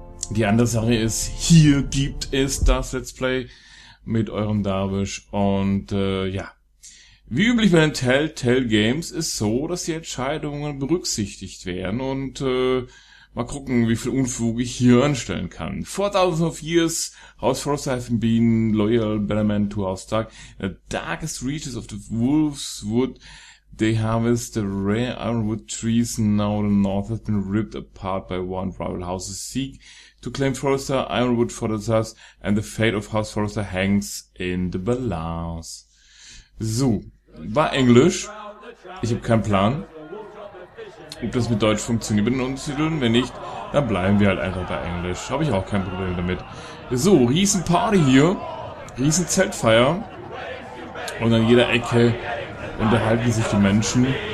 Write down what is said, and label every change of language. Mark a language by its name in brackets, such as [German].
[German] Die andere Sache ist, hier gibt es das Let's Play mit eurem Darwish. Und wie üblich bei den Telltale Games ist so, dass die Entscheidungen berücksichtigt werden und mal gucken, wie viel Unfug ich hier anstellen kann. [English] 4000 of years, House Forrester have been loyal bannermen to House Stark. The darkest reaches of the wolf's wood, they harvest the rare ironwood trees. Now the north has been ripped apart by one rival house's seek to claim Forrester ironwood for themselves, and the fate of House Forrester hangs in the balance. [German] So, war Englisch. Ich habe keinen Plan, ob das mit Deutsch funktioniert mit den Untertiteln. Wenn nicht, dann bleiben wir halt einfach bei Englisch. Habe ich auch kein Problem damit. So, Riesenparty hier. Riesenzeltfeier. Und an jeder Ecke unterhalten sich die Menschen.